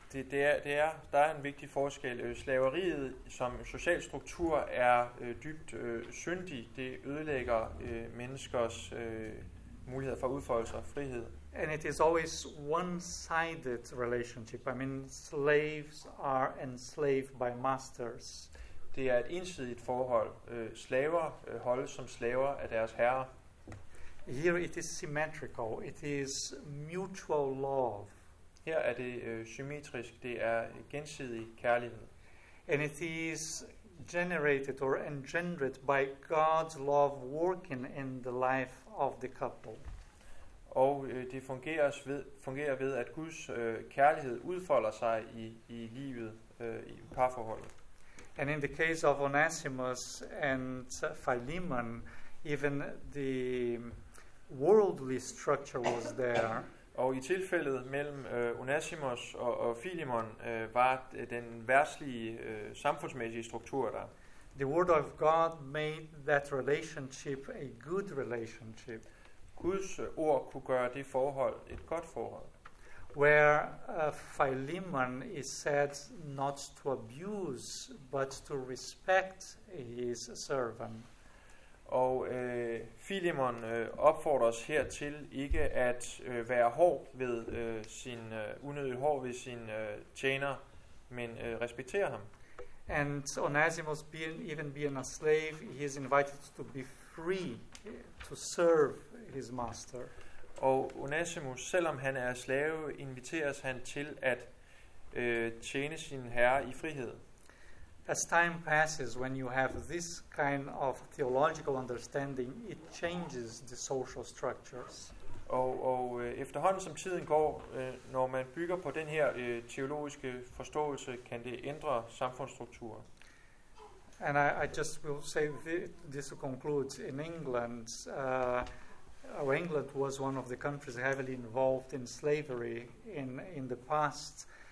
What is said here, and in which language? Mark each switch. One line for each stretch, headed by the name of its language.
Danish: Der er en vigtig forskel. Slaveriet som social struktur er dybt syndig. Det ødelægger menneskers muligheder for udfoldelse og frihed.
English: And it is always one-sided relationship. I mean, slaves are enslaved by masters.
Danish: Det er et ensidigt forhold. Slaver holdes som slaver af deres herre.
English: Here it is symmetrical. It is mutual love.
Danish: Her er det symmetrisk. Det er gensidig kærlighed.
English: And it is generated or engendered by God's love working in the life of the couple.
Danish: Og det fungerer ved at Guds kærlighed udfolder sig i livet i parforholdet.
English: And in the case of Onesimus and Philemon, even the worldly structure was there.
Danish: Og i tilfældet mellem Onesimus og Philemon var den verdslige samfundsmæssige struktur der.
English: The word of God made that relationship a good relationship.
Danish: Guds ord kunne gøre det forhold et godt forhold.
English: Where Philemon is said not to abuse but to respect his servant.
Danish: Og Philemon opfordres her til ikke at være hård ved sin unødigt hård ved sin tjener, men respektere ham.
English: And Onesimus being a slave, he is invited to be free to serve his master.
Danish: Og Onesimus, selvom han er slave, inviteres han til at tjene sin herre i frihed.
English: As time passes, when you have this kind of theological understanding, it changes the social structures.
Danish: Og efterhånden som tiden går, når man bygger på den her teologiske forståelse, kan det ændre samfundsstrukturen.
English: And I just will say this to conclude. In England, England was one of the countries heavily involved in slavery in the past.